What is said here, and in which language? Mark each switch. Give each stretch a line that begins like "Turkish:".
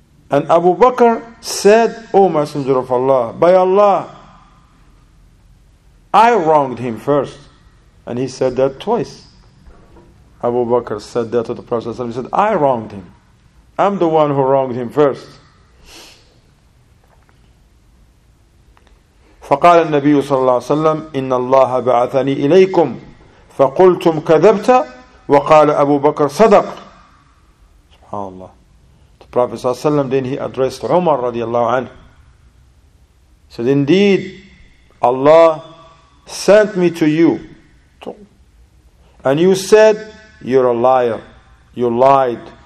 English: And Abu Bakr said, O Messenger of Allah, by Allah, I wronged him first. And he said that twice. Abu Bakr said that to the Prophet ﷺ. He said, I wronged him. I'm the one who wronged him first.
Arabic: فقال النبي صلى الله عليه وسلم, إن الله بعثني إليكم فقلتم كذبت وقال أبو بكر صدق. سبحان الله.
English: Prophet ﷺ, then he addressed Umar radiallahu anhu. He said, indeed, Allah sent me to you. And you said, you're a liar. You lied.